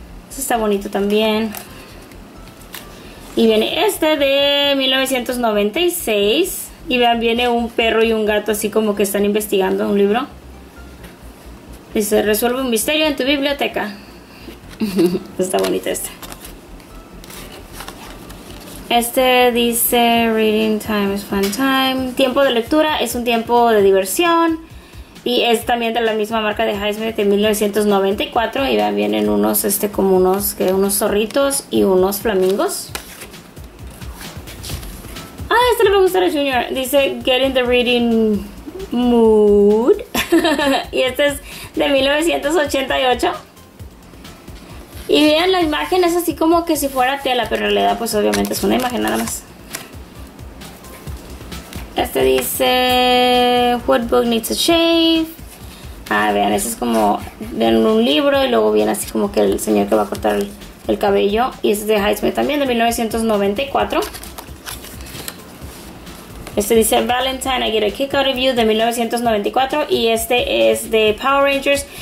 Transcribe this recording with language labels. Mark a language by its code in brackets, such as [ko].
[es] Este está bonito también. Y viene este de 1996. Y vean, viene un perro y un gato así como que están investigando un libro. Dice, resuelve un misterio en tu biblioteca. Está bonita esta. Este dice, [en] reading time is fun time. [es] Tiempo de lectura es un tiempo de diversión. Y es también de la misma marca de Highsmith de 1994. Y vean, vienen unos, como unos, unos zorritos y unos flamingos. Ah, este le va a gustar a Junior. Dice, [en] get in the reading mood. [es] Y este es de 1988. Y vean, la imagen es así como que si fuera tela, pero en realidad, pues obviamente es una imagen nada más. Este dice, [en] what book needs a shave? [es] Ah, vean, este es como, vean un libro y luego viene así como que el señor que va a cortar el cabello. Y este es de Highsmith también, de 1994. Este dice [en] Valentine, I get a kick out of you, [es] de 1994. Y este es de Power Rangers.